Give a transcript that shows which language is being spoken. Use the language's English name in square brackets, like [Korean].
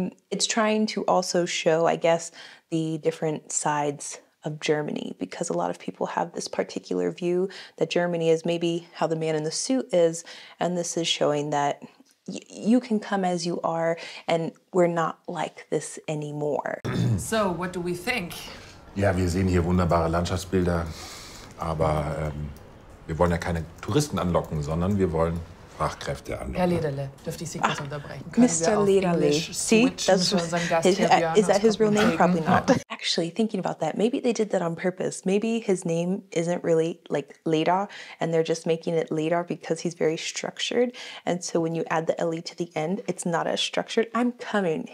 [English] It's trying to also show, I guess, the different sides of Germany, because a lot of people have this particular view that Germany is maybe how the man in the suit is, and this is showing that you can come as you are, and we're not like this anymore. So, what do we think? [German] Ja, wir sehen hier wunderbare Landschaftsbilder, aber wir wollen ja keine Touristen anlocken, sondern wir wollen Fachkräfte anlocken. Herr Lederle, dürfte ich Sie kurz unterbrechen? [English] Mr. Lederle, see, that's his, is that his real name? Probably not. Actually, thinking about that, maybe they did that on purpose. Maybe his name isn't really like Leder, and they're just making it Leder because he's very structured. And so when you add the L-E to the end, it's not as structured. I'm coming.